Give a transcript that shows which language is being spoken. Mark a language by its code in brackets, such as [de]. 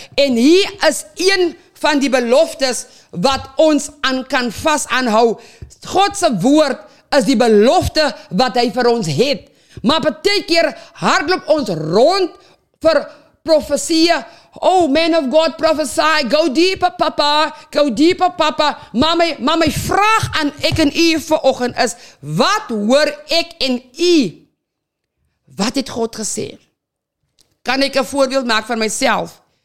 [af] En hier is een van die beloftes wat ons aan kan vast aanhou. Godse woord is die belofte wat hy vir ons het. Maar betekent hardloop ons rond vir profetieën. [en] Oh, man of God, prophesy, go deeper, papa, go deeper, papa. [af] Maar my vraag aan ek en u vanoggend is, wat hoor ek en u? Wat het God gesê? Kan ek 'n voorbeeld maak van myself?